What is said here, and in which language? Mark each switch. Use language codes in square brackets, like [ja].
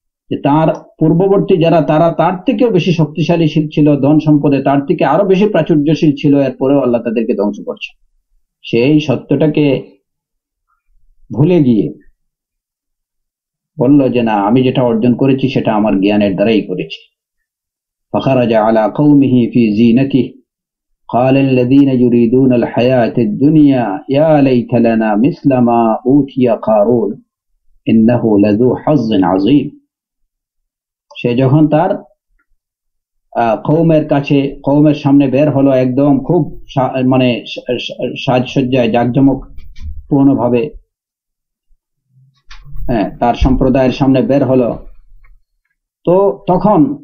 [bn] যে তার পূর্ববর্তী যারা তারা তার থেকেও বেশি শক্তিশালী ছিল, ধন সম্পদে তার থেকে আরো বেশি প্রাচুর্যশীল ছিল, এরপরেও আল্লাহ তাদেরকে ধ্বংস করছে। সেই সত্যটাকে ভুলে গিয়ে বললো যে না, আমি যেটা অর্জন করেছি সেটা আমার জ্ঞানের দ্বারাই করেছি। [ar] ফখরাজা আলা কওমিহি ফি জিনতি قال الذين يريدون الحياة الدنيا يا ليت لنا مثل ما أوتي قارون إنه لذو حظ عظيم। [bn] সে যখন তার কৌমের কাছে, কৌমের সামনে বের হলো একদম খুব মানে সাজসজ্জায় জাঁকজমক পূর্ণ ভাবে, হ্যাঁ, তার সম্প্রদায়ের সামনে বের হলো, তো তখন